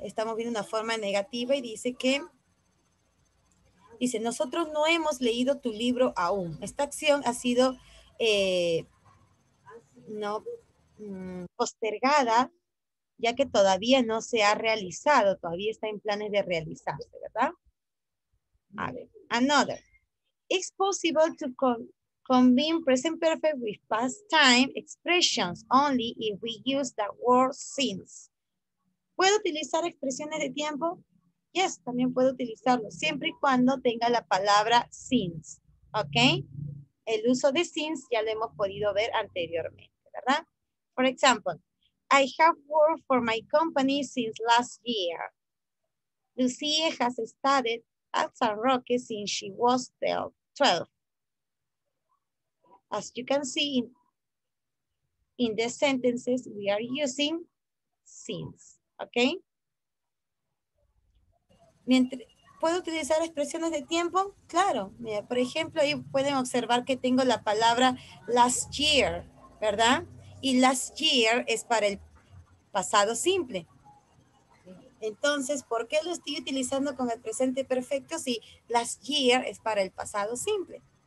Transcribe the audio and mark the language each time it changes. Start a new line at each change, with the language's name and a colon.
Spanish: Estamos viendo una forma negativa y dice que, dice, nosotros no hemos leído tu libro aún. Esta acción ha sido, ¿no? Postergada, ya que todavía no se ha realizado, todavía está en planes de realizarse, ¿verdad? A ver,
English: another. It's possible to combine present perfect with past time expressions only if we use the word since.
Spanish: ¿Puedo utilizar expresiones de tiempo?
English: Yes,
Spanish: también puedo utilizarlo, siempre y cuando tenga la palabra since. ¿Ok? El uso de since ya lo hemos podido ver anteriormente, ¿verdad?
English: For example, I have worked for my company since last year. Lucie has studied at San Roque since she was 12. As you can see in the sentences, we are using since, okay?
Spanish: ¿Puedo utilizar expresiones de tiempo? Claro, mira, por ejemplo, ahí pueden observar que tengo la palabra last year, ¿verdad? Y last year es para el pasado simple. Entonces, ¿por qué lo estoy utilizando con el presente perfecto si last year es para el pasado simple?